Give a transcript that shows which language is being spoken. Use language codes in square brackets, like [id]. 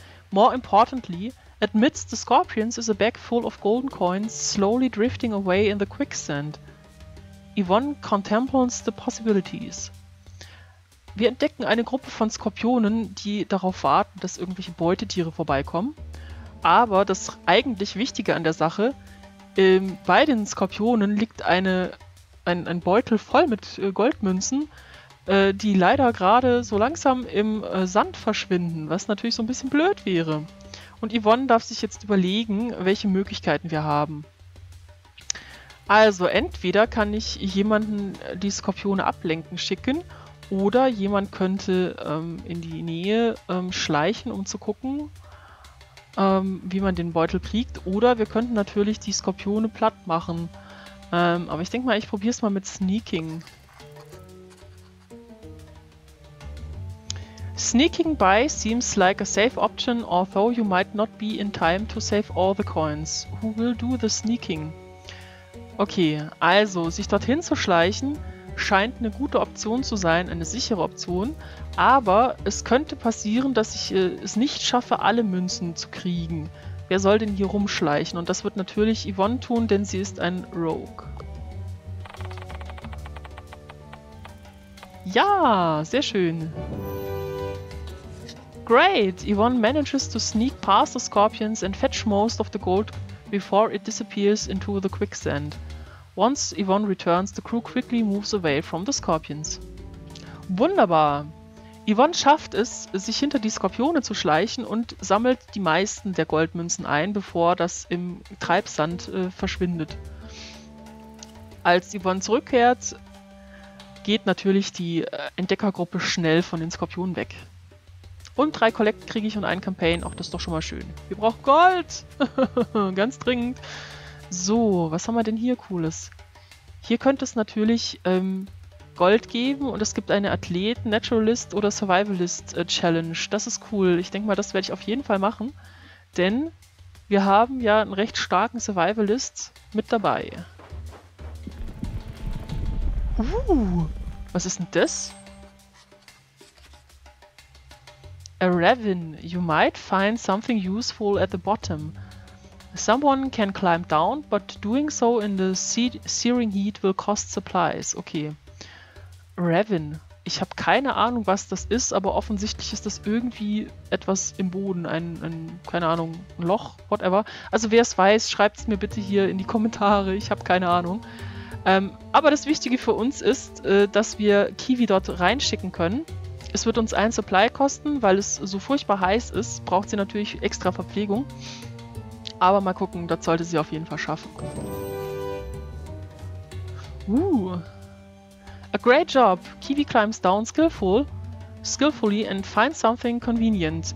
[en] More importantly, amidst the scorpions is a bag full of golden coins slowly drifting away in the quicksand. Yvonne contemplates the possibilities. [de] Wir entdecken eine Gruppe von Skorpionen, die darauf warten, dass irgendwelche Beutetiere vorbeikommen. Aber das eigentlich Wichtige an der Sache, bei den Skorpionen liegt ein Beutel voll mit Goldmünzen, die leider gerade so langsam im Sand verschwinden, was natürlich so ein bisschen blöd wäre. Und Yvonne darf sich jetzt überlegen, welche Möglichkeiten wir haben. Also entweder kann ich jemanden die Skorpione ablenken schicken oder jemand könnte in die Nähe schleichen, um zu gucken, wie man den Beutel kriegt. Oder wir könnten natürlich die Skorpione platt machen. Aber ich denke mal, ich probiere es mal mit Sneaking. [en] Sneaking by seems like a safe option, although you might not be in time to save all the coins. Who will do the sneaking? [de] Okay, also, sich dorthin zu schleichen scheint eine gute Option zu sein, eine sichere Option, aber es könnte passieren, dass ich es nicht schaffe, alle Münzen zu kriegen. Wer soll denn hier rumschleichen? Und das wird natürlich Yvonne tun, denn sie ist ein Rogue. Ja, sehr schön. [en] Great! Yvonne manages to sneak past the scorpions and fetch most of the gold before it disappears into the quicksand. Once Yvonne returns, the crew quickly moves away from the scorpions. [de] Wunderbar! Yvonne schafft es, sich hinter die Skorpione zu schleichen und sammelt die meisten der Goldmünzen ein, bevor das im Treibsand verschwindet. Als Yvonne zurückkehrt, geht natürlich die Entdeckergruppe schnell von den Skorpionen weg. Und 3 Collect kriege ich und 1 Campaign. Auch das ist doch schon mal schön. Wir brauchen Gold! Ganz dringend. So, was haben wir denn hier Cooles? Hier könnte es natürlich Gold geben und es gibt eine Athlet, Naturalist oder Survivalist Challenge. Das ist cool. Ich denke mal, das werde ich auf jeden Fall machen. Denn wir haben ja einen recht starken Survivalist mit dabei. Was ist denn das? [en] A ravine. You might find something useful at the bottom. Someone can climb down, but doing so in the searing heat will cost supplies. Okay. Ravine. [de] Ich habe keine Ahnung, was das ist, aber offensichtlich ist das irgendwie etwas im Boden. Keine Ahnung, ein Loch, whatever. Also wer es weiß, schreibt es mir bitte hier in die Kommentare. Ich habe keine Ahnung. Aber das Wichtige für uns ist, dass wir Kiwi dort reinschicken können. Es wird uns 1 Supply kosten, weil es so furchtbar heiß ist, braucht sie natürlich extra Verpflegung. Aber mal gucken, das sollte sie auf jeden Fall schaffen. [en] Woo! A great job! Kiwi climbs down skillfully and finds something convenient.